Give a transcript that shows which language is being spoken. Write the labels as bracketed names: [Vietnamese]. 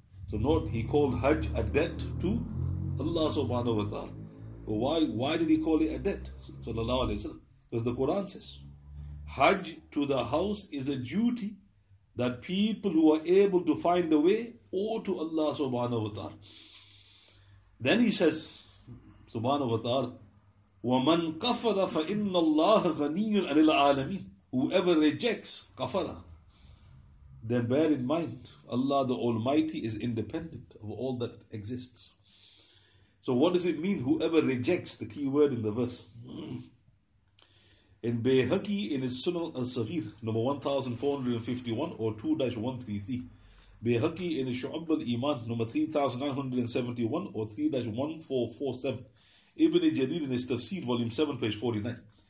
[English] So note, he called Hajj a debt to Allah subhanahu wa ta'ala. But why did he call it a debt? Sallallahu alayhi wa sallam. Because the Quran says, Hajj to the house is a duty that people who are able to find a way owe to Allah subhanahu wa ta'ala. Then he says, subhanahu wa ta'ala, [Arabic] وَمَنْ كَفَرَ فَإِنَّ اللَّهَ غَنِيٌّ عَنِ الْعَالَمِينَ. [English] Whoever rejects kafara, then bear in mind, Allah the Almighty is independent of all that exists. So what does it mean, whoever rejects, the key word in the verse? In Bayhaqi, in his Sunan al-Saghir, number 1451 or 2-133, Bayhaqi in his Shu'ab al-Iman, number 3971 or 3-1447, Ibn Jarir in his Tafsir, volume 7, page 49.